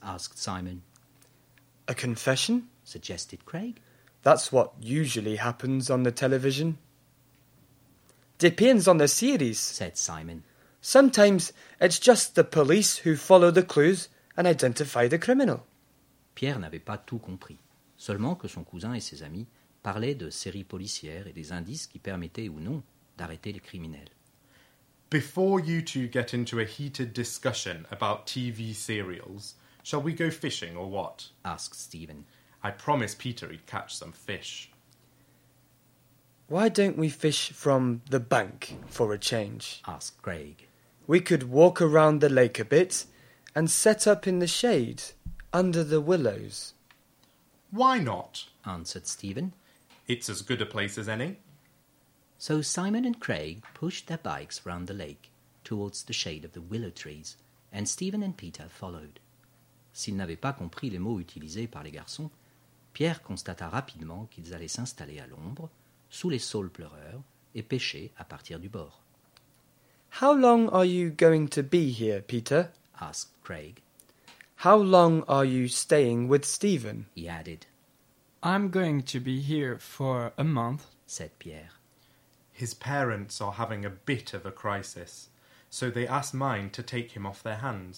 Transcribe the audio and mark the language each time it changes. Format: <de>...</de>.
<en>Asked Simon. A confession? Suggested Craig. That's what usually happens on the television. Depends on the series, said Simon. Sometimes it's just the police who follow the clues and identify the criminal.</en> <fr>Pierre n'avait pas tout compris, seulement que son cousin et ses amis parlaient de séries policières et des indices qui permettaient ou non d'arrêter les criminels.</fr> <en>Before you two get into a heated discussion about TV serials, shall we go fishing or what? Asked Stephen. I promised Peter he'd catch some fish. Why don't we fish from the bank for a change? Asked Craig. We could walk around the lake a bit and set up in the shade under the willows. Why not? Answered Stephen. It's as good a place as any. So Simon and Craig pushed their bikes round the lake towards the shade of the willow trees, and Stephen and Peter followed.</en> <fr>S'ils n'avaient pas compris les mots utilisés par les garçons, Pierre constata rapidement qu'ils allaient s'installer à l'ombre, sous les saules pleureurs, et pêcher à partir du bord.</fr> <en>How long are you going to be here, Peter? Asked Craig. How long are you staying with Stephen? He added. I'm going to be here for a month, said Pierre. His parents are having a bit of a crisis, so they asked mine to take him off their hands,</en>